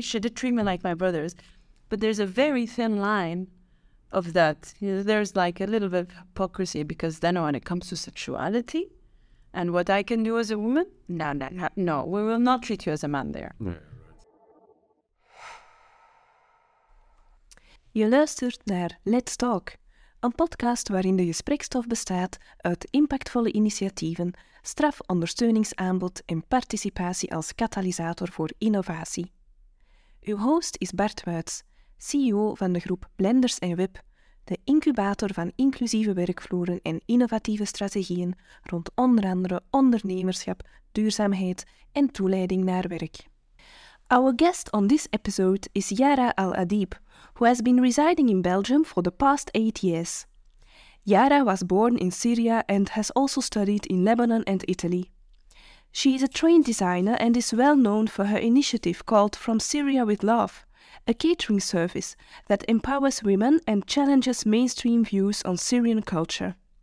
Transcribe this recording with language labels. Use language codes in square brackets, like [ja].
[en] She did treat me like my brothers. But there's a very thin line of that. You know, there's like a little bit of hypocrisy, because then when it comes to sexuality and what I can do as a woman, no. We will not treat you as a man there. [nl] Je luistert naar Let's Talk, een podcast waarin de gesprekstof bestaat uit impactvolle initiatieven, strafondersteuningsaanbod en participatie als katalysator voor innovatie. Uw host is Bart Wuits, CEO van de groep Blenders & Web, de incubator van inclusieve werkvloeren en innovatieve strategieën rond onder andere ondernemerschap, duurzaamheid en toeleiding naar werk. [en] Our guest on this episode is Yara Al-Adib, who has been residing in Belgium for the past 8 years. Yara was born in Syria and has also studied in Lebanon and Italy. She is a trained designer and is well known for her initiative called From Syria with Love, a catering service that empowers women and challenges mainstream views on Syrian culture.